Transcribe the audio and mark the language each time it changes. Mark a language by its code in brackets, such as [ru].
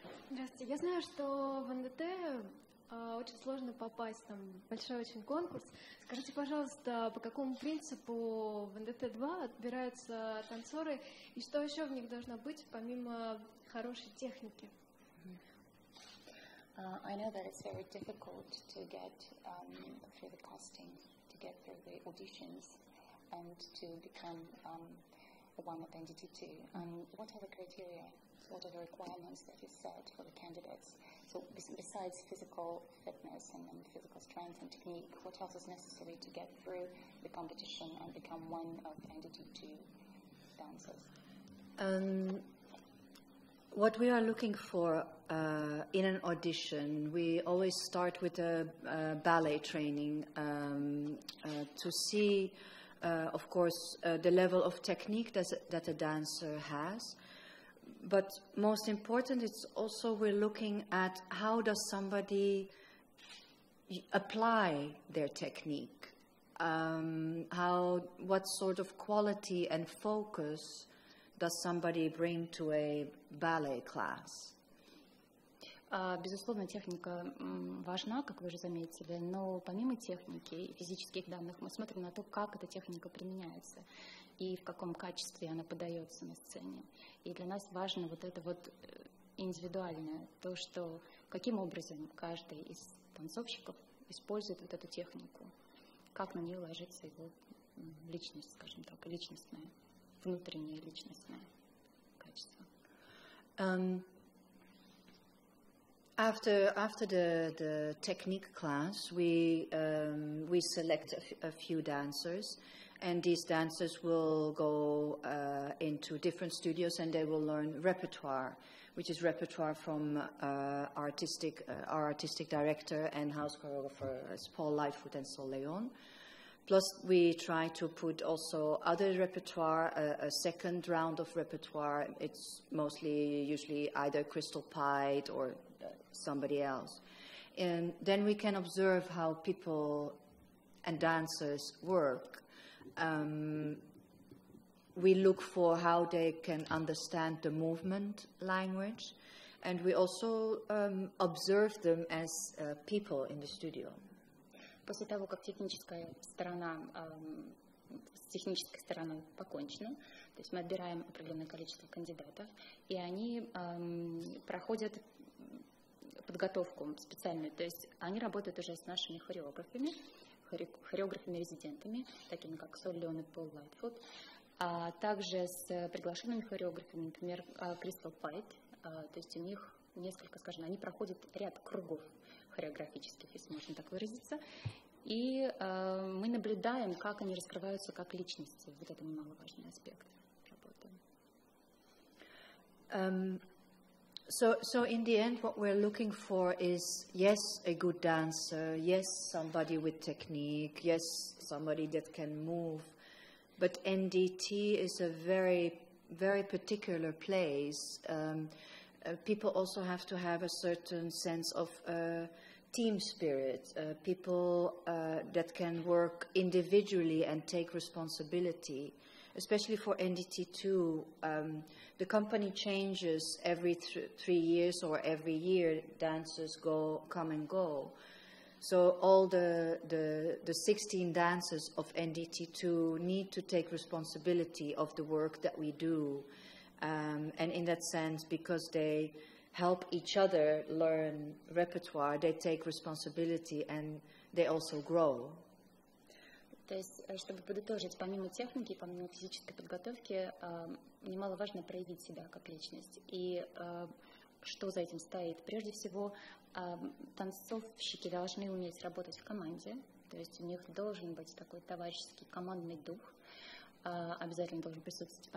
[ru] Здравствуйте. Я знаю, что в НДТ очень сложно попасть, там большой очень конкурс. Скажите, пожалуйста, по какому принципу в НДТ-2 отбираются танцоры и что еще в них должно быть, помимо хорошей техники? [en] I know that it's very difficult to get through the casting, to get through the auditions, and to become the one at NDT2. What are the criteria? What are the requirements that you set for the candidates? So besides physical fitness and physical strength and technique, what else is necessary to get through the competition and become one of NDT2 dancers? What we are looking for in an audition, we always start with a ballet training to see, of course, the level of technique that a dancer has. But most important, it's also we're looking at how does somebody apply their technique, what sort of quality and focus does somebody bring to a ballet class? [ru] Безусловно, техника важна, как вы уже заметили, но помимо техники и физических данных, мы смотрим на то, как эта техника применяется и в каком качестве она подается на сцене. И для нас важно вот это вот индивидуальное, то, что каким образом каждый из танцовщиков использует вот эту технику, как на нее ложится его личность, скажем так, личностная. Внутреннее личностное качество. [en] After the technique class, we select a few dancers, and these dancers will go into different studios and they will learn repertoire, which is repertoire from our artistic director and house choreographer, Paul Lightfoot and Sol Leon. Plus, we try to put also other repertoire, a second round of repertoire. It's mostly usually either Crystal Pied or somebody else. And then we can observe how people and dancers work. We look for how they can understand the movement language. and we also observe them as people in the studio. [ru] После того, как техническая сторона с технической стороной покончена, то есть мы отбираем определенное количество кандидатов, и они проходят подготовку специальную, то есть они работают уже с нашими хореографами, хореографами-резидентами, такими как Соль Леон и Пол Лайтфуд, а также с приглашенными хореографами, например, Кристал Пайт, то есть у них несколько, скажем, они проходят ряд кругов хореографических, если можно так выразиться, и мы наблюдаем, как они раскрываются как личности, вот это немаловажный аспект работы. [en] So in the end, what we're looking for is, yes, a good dancer, yes, somebody with technique, yes, somebody that can move. But NDT is a very, very particular place. People also have to have a certain sense of team spirit, people that can work individually and take responsibility. Especially for NDT2, the company changes every three years or every year. Dancers go, come and go. So all the 16 dancers of NDT2 need to take responsibility of the work that we do. And in that sense, because they help each other learn repertoire, they take responsibility and they also grow. [ru] То есть, чтобы подытожить, помимо техники, помимо физической подготовки, немаловажно проявить себя как личность. И что за этим стоит? Прежде всего, танцовщики должны уметь работать в команде, то есть у них должен быть такой товарищеский командный дух, обязательно должен присутствовать.